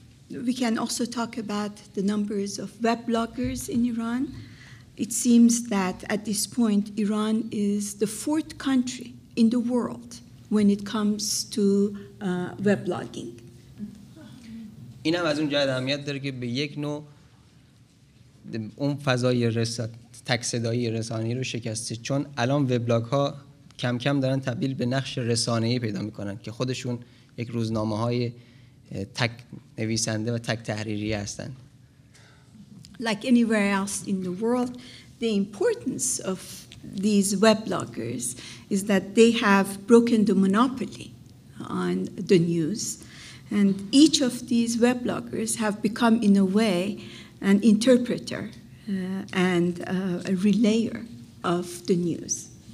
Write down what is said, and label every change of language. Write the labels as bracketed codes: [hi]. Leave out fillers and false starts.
[en] We can also talk about the numbers of web bloggers in Iran. It seems that at this point Iran is the fourth country in the world when it comes to web blogging. [fa] این هم از اون جهت اهمیت داره که به یک نوع اون فضای تک‌صدایی رسانه‌ای رو شکسته، چون الان وبلاگ‌ها کم کم دارن تبدیل به نقش رسانه‌ای پیدا می‌کنن که خودشون یک روزنامه‌های تک نویسنده و تک تحریری هستن. [en] Like anywhere else in the world, the importance of these webloggers is that they have broken the monopoly on the news. And each of these webloggers have become, in a way, an interpreter and a relayer of the news.